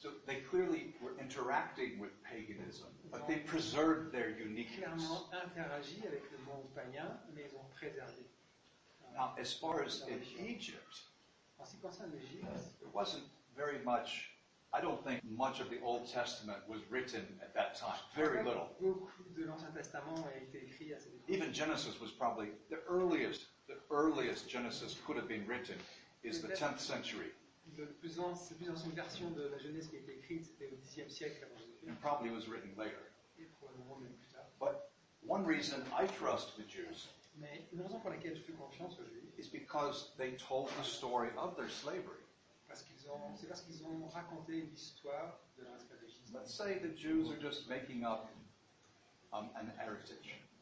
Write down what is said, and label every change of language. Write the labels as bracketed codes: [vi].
[en] So they clearly were interacting with paganism, but they preserved their uniqueness. [fr] Clairement interagi avec le monde païen, mais ils ont préservé. [en] Now, as far as in Egypt, it wasn't very much. I don't think much of the Old Testament was written at that time. Very little. [fr] Beaucoup de l'Ancien Testament a été écrit à cette époque. [en] Even Genesis was probably the earliest. The earliest Genesis could have been written is the 10th century. [fr] La plus ancienne version de la Genèse qui a été écrite c'était au 10e siècle avant Jésus-Christ. [en] And probably was written later. [fr] Et probablement même plus tard. [en] But one reason I trust the Jews. [fr] Mais une raison pour laquelle je fais confiance aux Juifs. [en] Is because they told the story of their slavery. [fr] Parce qu'ils ont raconté l'histoire de leur esclavage. [en] Let's say the Jews are just making up an heritage.